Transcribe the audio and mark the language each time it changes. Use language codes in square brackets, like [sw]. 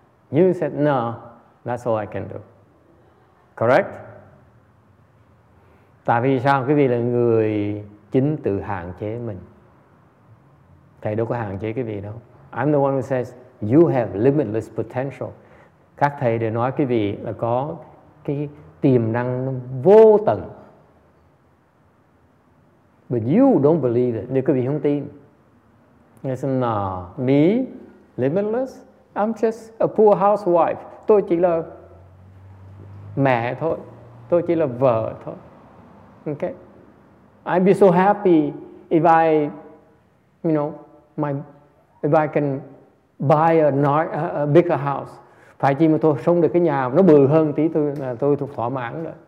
[en] You said, no, that's all I can do. Correct? [vi] Tại vì sao? Quý vị là người chính tự hạn chế mình. Thầy đâu có hạn chế quý vị đâu. [en] I'm the one who says, you have limitless potential. [vi] Các thầy đều nói quý vị là có cái tiềm năng vô tận. [en] But you don't believe it. [vi] Nếu quý vị không tin. [en] I said, no, me, limitless? I'm just a poor housewife. [vi] Tôi chỉ là mẹ thôi. Tôi chỉ là vợ thôi. Okay? [en] I'd be so happy if I, you know, if I can buy a bigger house. [vi] Phải chi mà tôi sống được cái nhà nó bự hơn tí tôi thỏa mãn rồi.